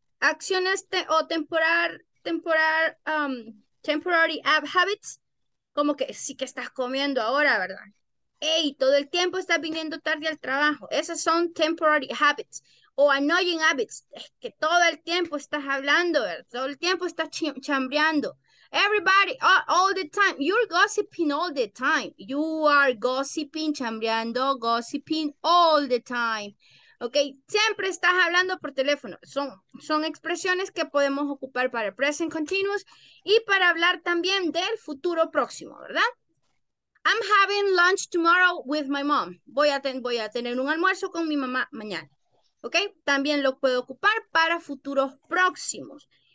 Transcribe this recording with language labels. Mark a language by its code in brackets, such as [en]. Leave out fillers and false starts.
[es] Acciones te o [en] temporary habits, [es] como que sí que estás comiendo ahora, ¿verdad? Ey, todo el tiempo estás viniendo tarde al trabajo. Esas son [en] temporary habits. [es] O [en] annoying habits, [es] es que todo el tiempo estás hablando, ¿verdad? Todo el tiempo estás chambreando. [en] Everybody, all the time, you're gossiping all the time. You are gossiping, chambreando, gossiping all the time. [es] Ok, siempre estás hablando por teléfono. Son expresiones que podemos ocupar para el present continuous y para hablar también del futuro próximo, ¿verdad? [en] I'm having lunch tomorrow with my mom. [es] Voy a tener un almuerzo con mi mamá mañana. Ok, también lo puedo ocupar para futuros próximos.